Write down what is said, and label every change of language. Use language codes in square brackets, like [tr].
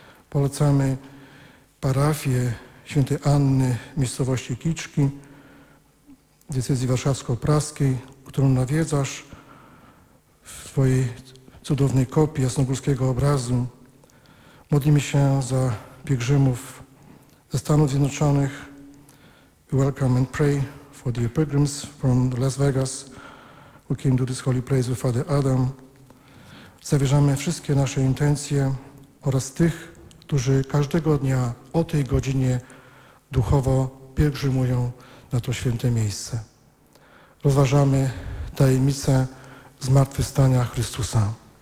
[pl] Polecamy parafię świętej Anny w miejscowości Kiczki, diecezji warszawsko-praskiej, którą nawiedzasz w swojej cudownej kopii jasnogórskiego obrazu. Modlimy się za pielgrzymów ze Stanów Zjednoczonych. [en] Welcome and pray for the pilgrims from Las Vegas who came to this holy place with Father Adam. [pl] Zawierzamy wszystkie nasze intencje oraz tych, którzy każdego dnia o tej godzinie duchowo pielgrzymują na to święte miejsce. Rozważamy tajemnicę zmartwychwstania Chrystusa.